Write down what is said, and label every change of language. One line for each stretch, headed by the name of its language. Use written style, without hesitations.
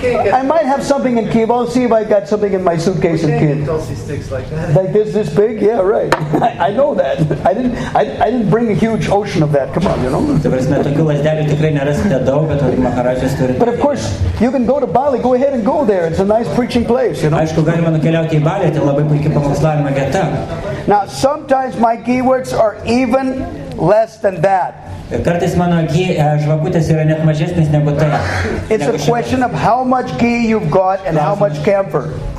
English: I might have something in Kiev. I'll see if I got something in my suitcase in Kiev. Like this big? Yeah, right. I know that. I didn't bring a huge ocean of that. Come on, you know. But of course, you can go to Bali. Go ahead and go there. It's a nice preaching place, you know.
Lithuanian: Aišku, galima nukeliauti į Bali, tai labai puikia pamokslavimo vieta.
English: Now, sometimes sometimes my gewurz are even less than that. It's a question of how much ghee you've got and how much camphor.